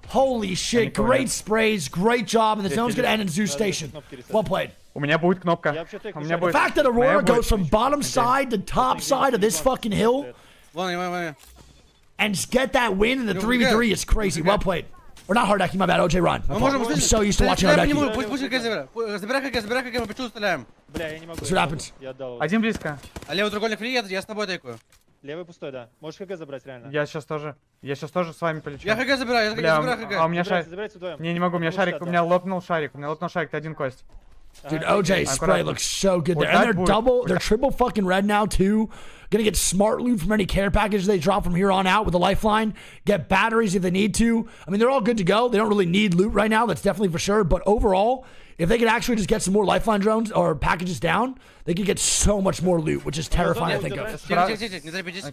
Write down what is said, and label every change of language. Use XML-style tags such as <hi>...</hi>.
<en>Holy shit, great sprays, great job, and the zone's gonna end in Zeus Station. Well played.</en> <ru>У меня будет кнопка.</ru> <en>The fact that Aurora goes from bottom side to top side of this fucking hill, and get that win in the 3v3 is crazy. Well played. Or not Hardaki, my bad, OJ Ron. I'm so used to watching Hardaki.</en> <ru>Забирай хакер, почему стреляем? Бля, я не могу.</ru> <en>That's what happens.</en> <ru>Один близко. А левый треугольник фри, я с тобой тайкую. Левый пустой, да. Можешь хакер забрать, реально. Я сейчас тоже с вами полечу. Я хакер забираю, я хакер забираю хакер. А у меня шарик. Забирайте вдвоем. Не, не могу, у меня лопнул шарик, ты один кость.</ru> <en>Dude, OJ spray looks so good there. And they're triple fucking red now too. Gonna get smart loot from any care package they drop from here on out with the lifeline. Get batteries if they need to. I mean, they're all good to go. They don't really need loot right now. That's definitely for sure. But overall, if they could actually just get some more lifeline drones or packages down, they could get so much more loot, which is terrifying to think of.</en>